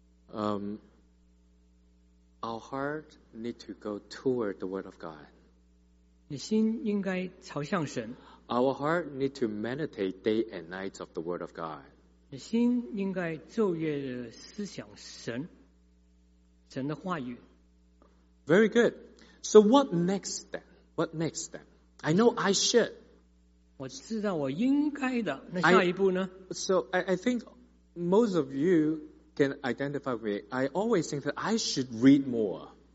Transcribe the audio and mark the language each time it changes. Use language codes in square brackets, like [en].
[en] Our heart need to go toward the Word of God. [zh] 你心应该朝向神。 [en] Our heart need to meditate day and night of the Word of God. [zh] 你心应该昼夜思想神的话语。 [en] Very good. So what next then? What next then? I know I should. [zh] 我知道我应该的。那下一步呢? [en] I think most of you can identify with me. I always think that I should read more.